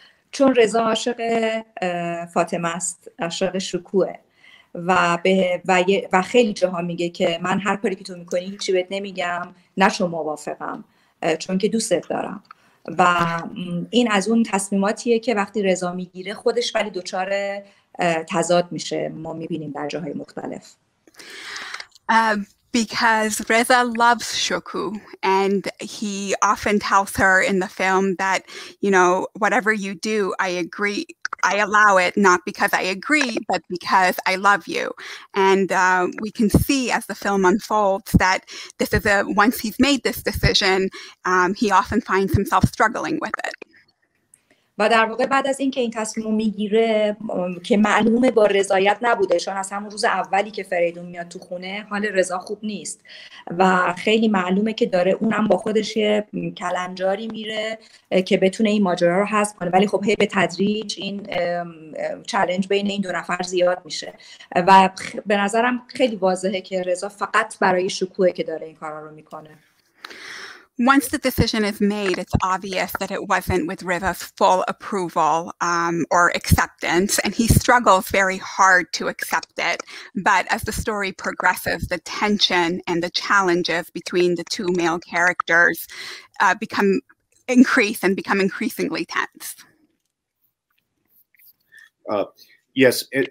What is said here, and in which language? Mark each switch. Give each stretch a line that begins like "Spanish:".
Persian: چون رضا عاشق فاطمه است، عاشق شکوه و خیلی جاها میگه که من هر کاری که تو میکنی هیچی بهت نمیگم، نه چون موافقم، چون که دوستت دارم. و این از اون تصمیماتیه که وقتی رضا میگیره خودش ولی دچار تضاد میشه، ما میبینیم در جاهای مختلف.
English: Because Reza loves Shoku, and he often tells her in the film that, you know, whatever you do, I agree, I allow it, not because I agree, but because I love you. And we can see as the film unfolds that this is once he's made this decision, he often finds himself struggling with it.
Persian: و در واقع بعد از اینکه این تصمیم رو میگیره که معلومه با رضایت نبوده، چون از همون روز اولی که فریدون میاد تو خونه حال رضا خوب نیست و خیلی معلومه که داره اونم با خودش یه کلنجاری میره که بتونه این ماجرا رو حذف کنه، ولی خب هی به تدریج این چالش بین این دو نفر زیاد میشه و به نظرم خیلی واضحه که رضا فقط برای شکوه که داره این کارا رو میکنه.
English: Once the decision is made, it's obvious that it wasn't with Reza's full approval or acceptance, and he struggles very hard to accept it. But as the story progresses, the tension and the challenges between the two male characters become increasingly tense.